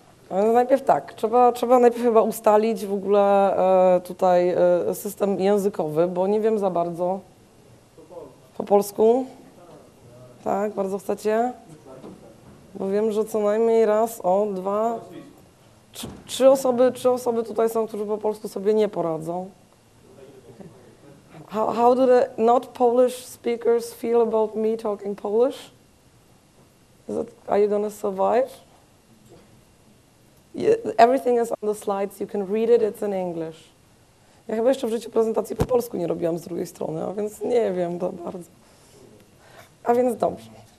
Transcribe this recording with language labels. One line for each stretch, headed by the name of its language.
Polish: Najpierw tak, trzeba najpierw chyba ustalić w ogóle tutaj system językowy, bo nie wiem za bardzo. Po polsku? Tak, bardzo chcecie? Bo wiem, że co najmniej raz, o, dwa, trzy osoby tutaj są, którzy po polsku sobie nie poradzą.
English: How do the not Polish speakers feel about me talking Polish? Are you gonna survive? Everything is on the slides, you can read it, it's in English.
Polish: Ja chyba jeszcze w życiu prezentacji po polsku nie robiłam z drugiej strony, a więc nie wiem to bardzo. A więc dobrze.